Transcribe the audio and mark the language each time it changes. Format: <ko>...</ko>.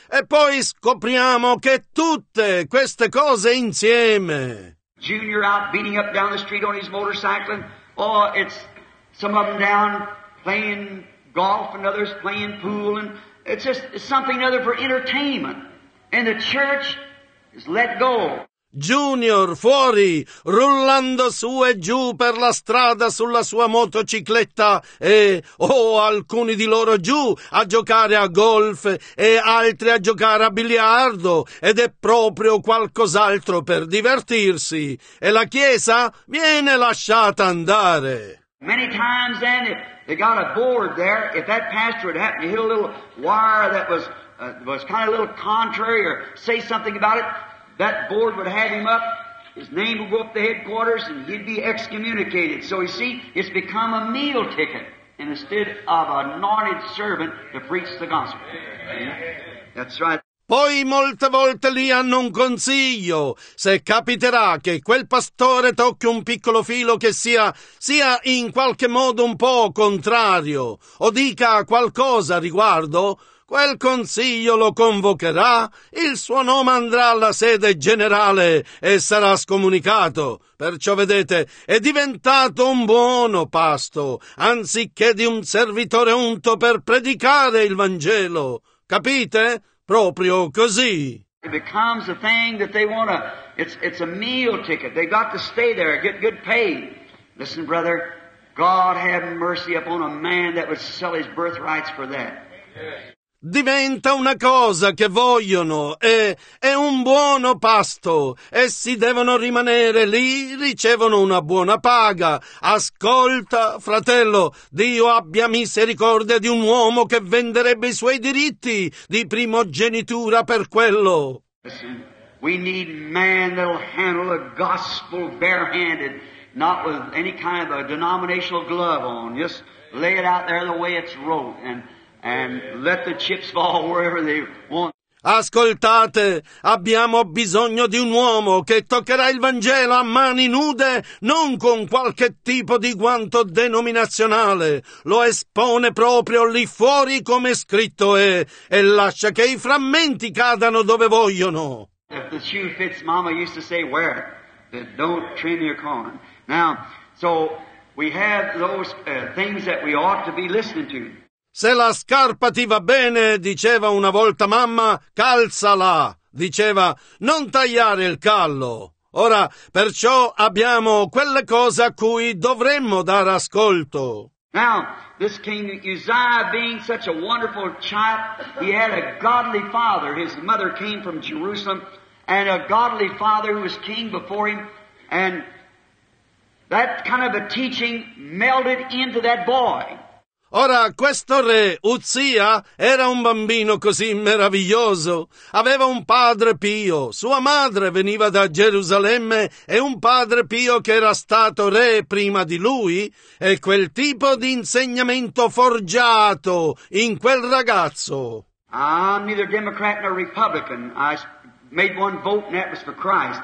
<it>E poi scopriamo che tutte queste cose insieme.</it> <en>Junior out beating up down the street on his motorcycle. Oh, it's some of them down playing golf and others playing pool. And it's just something other for entertainment. And the church is let go.</en> <it>Junior fuori, rullando su e giù per la strada sulla sua motocicletta alcuni di loro giù a giocare a golf e altri a giocare a biliardo ed è proprio qualcos'altro per divertirsi e la chiesa viene lasciata andare.</it> <en>Many times then if they got a board there, if that pastor would happen to hit a little wire that was kind of a little contrary or say something about it, that board would have him up, his name would go up to headquarters, and he'd be excommunicated. So you see, it's become a meal ticket instead of an anointed servant to preach the gospel. That's right.</en> <it>Poi molte volte lì hanno un consiglio. Se capiterà che quel pastore tocchi un piccolo filo che sia in qualche modo un po' contrario, o dica qualcosa riguardo, quel consiglio lo convocherà, il suo nome andrà alla sede generale e sarà scomunicato. Perciò, vedete, è diventato un buono pasto, anziché di un servitore unto per predicare il Vangelo. Capite? Proprio così.</it> <en>It becomes a thing that they want to, it's a meal ticket. They've got to stay there, get good pay. Listen, brother, God had mercy upon a man that would sell his birthrights for that.</en> <it>Diventa una cosa che vogliono, è un buono pasto, essi devono rimanere lì, ricevono una buona paga. Ascolta, fratello, Dio abbia misericordia di un uomo che venderebbe i suoi diritti di primogenitura per quello.</it> <en>Listen, we need man that'll handle the gospel barehanded, not with any kind of a denominational glove on. Just lay it out there the way it's wrote and let the chips fall wherever they want.</en> <it>Ascoltate, abbiamo bisogno di un uomo che toccherà il Vangelo a mani nude, non con qualche tipo di guanto denominazionale. Lo espone proprio lì fuori come scritto è e lascia che i frammenti cadano dove vogliono.</it> <en>If the shoe fits, Mama used to say, wear it. But don't trim your corn. Now, so we have those things that we ought to be listening to.</en> <it>Se la scarpa ti va bene, diceva una volta mamma, calzala. Diceva, non tagliare il callo. Ora, perciò abbiamo quelle cose a cui dovremmo dare ascolto.</it> <en>Now, this king Uzziah, being such a wonderful child, he had a godly father. His mother came from Jerusalem, and a godly father who was king before him. And that kind of a teaching melted into that boy.</en> <it>Ora, questo re, Uzzia, era un bambino così meraviglioso. Aveva un padre pio, sua madre veniva da Gerusalemme e un padre pio che era stato re prima di lui. E quel tipo di insegnamento forgiato in quel ragazzo.</it> <en>I'm neither Democrat nor Republican. I made one vote and that was for Christ.</en>